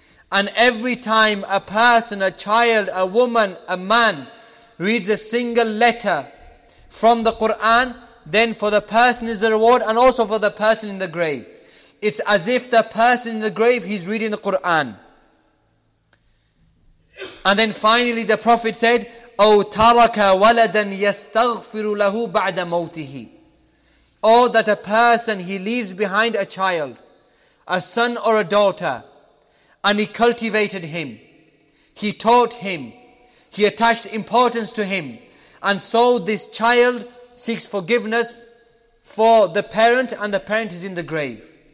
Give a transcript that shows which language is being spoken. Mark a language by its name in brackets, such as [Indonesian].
[English] And every time a person, a child, a woman, a man reads a single letter from the Quran, then for the person is the reward, and also for the person in the grave. It's as if the person in the grave, he's reading the Quran. And then finally the Prophet said, [Arabic] أو ترك ولدا يستغفر له بعد موته. [English] Or that a person, he leaves behind a child, a son or a daughter, and he cultivated him, he taught him, he attached importance to him, and so this child seeks forgiveness for the parent, and the parent is in the grave.